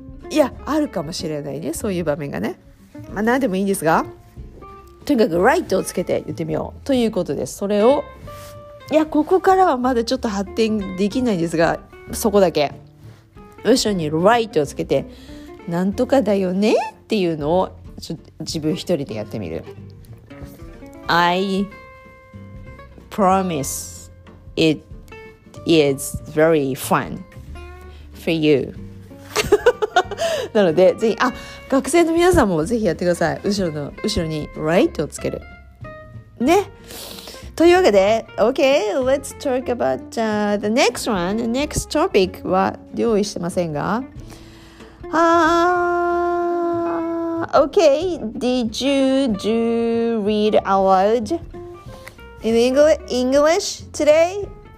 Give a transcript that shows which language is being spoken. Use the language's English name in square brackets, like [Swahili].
[Japanese] いや、あるかもしれないね、そういう場面がね。まあ何でもいいんですが、とにかく right をつけて言ってみようということです。それを、いや、ここからはまだちょっと発展できないんですが、そこだけ後ろに right をつけて、なんとかだよねっていうのをちょ自分一人でやってみる。 [English] I promise it is very fun for you. [Japanese] なのでぜひ、あ、学生の皆さんもぜひやってください。後ろに Right をつけるね。というわけで OK, [English] let's talk about the next one. Next topic [Japanese] は用意してませんが、 [English] OK, did you do read aloud in English today?